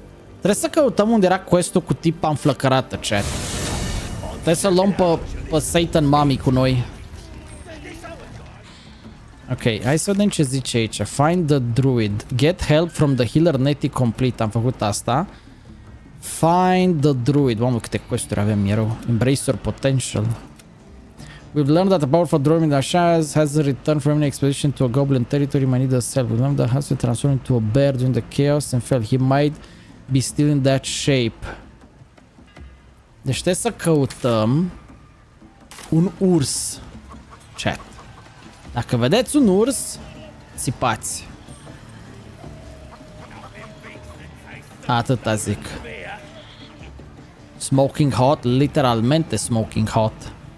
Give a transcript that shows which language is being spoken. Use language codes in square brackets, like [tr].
[ro] Trebuie să căutăm unde era quest-ul cu tipa înflăcărată, chat. Trebuie să-l luăm pe Satan Mami cu noi. Ok, hai să vedem ce zice aici. [en] Find the druid. Get help from the healer Netty complete. [ro] Am făcut asta. [en] Find the druid. [ro] Mamă, câte quest-uri avem, erau. [en] Embrace your potential. We've learned that the powerful druid in Ashaz has returned from an expedition to a goblin territory. Might need a cell. We learned that has to transform into a bear during the chaos and fell. He might be still in that shape. [ro] Deci trebuie să căutăm un urs. Chat. Dacă vedeți un urs, țipați. Atâta zic. [en] Smoking hot, [ro] literalmente [en] smoking hot.